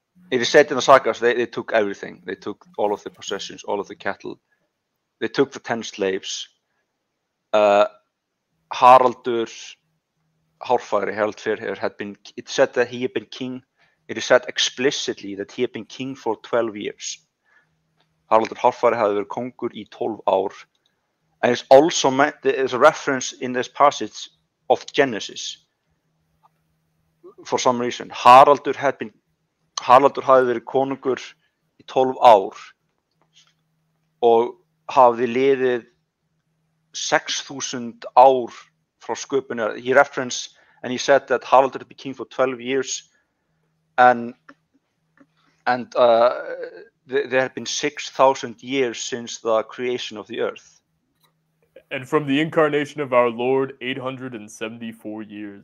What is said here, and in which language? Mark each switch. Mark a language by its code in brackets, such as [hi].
[en] It is said in the sagas they took everything. They took all of the possessions, all of the cattle. They took the 10 slaves. Haraldur Hárfagri, [is] held fyrir, [en] it is said explicitly that he had been king for 12 years. [is] Haraldur Hárfagri hafði verið kóngur í 12 ár. [en] And it's also there's a reference in this passage of Genesis. For some reason, [is] Haraldur hafði verið konungur í 12 ár og hafði liðið 6,000 ár frá sköpunar. [en] He referenced and he said that Haraldur had been king for 12 years and there had been 6,000 years since the creation of the earth. And from the incarnation of our Lord, 874 years.